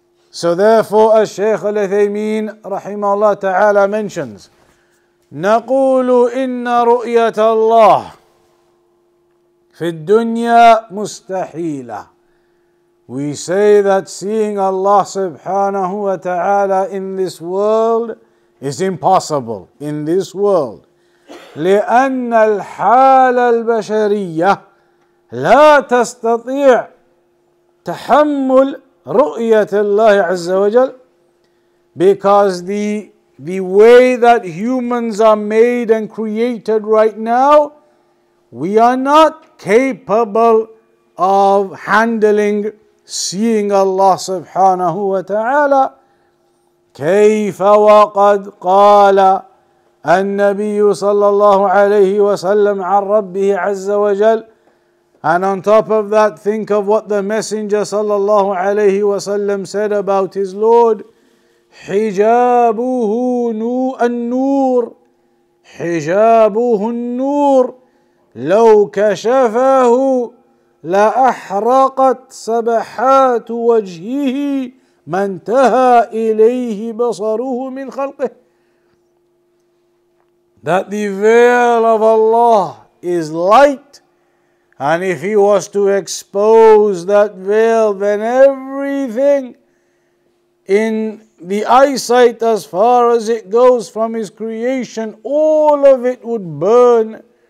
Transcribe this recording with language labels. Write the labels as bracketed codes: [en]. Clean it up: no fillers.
[en] So therefore, as Shaykh al-Uthaymeen rahimahullah ta'ala mentions, [ar] نقول إن رؤية الله في الدنيا مستحيلة. [en] We say that seeing Allah subhanahu wa ta'ala in this world is impossible in this world. [ar] لأن الحالة البشرية لا تستطيع تحمل رؤية الله عز وجل. [en] Because the way that humans are made and created right now, we are not capable of handling seeing Allah subhanahu wa ta'ala. [ar] كيف وقد قال النبي صلى الله عليه وسلم عن ربه عز وجل. [en] And on top of that, think of what the Messenger صلى الله عليه وسلم said about his Lord. [ar] حجابه النور حجابه النور لو كشفه لأحرقت سبحات وجهه ما انتهى إليه بصره من خلقه. [en] That the veil of Allah is light, and if he was to expose that veil, then every everything in the eyesight as far as it goes from his creation, all of it would burn.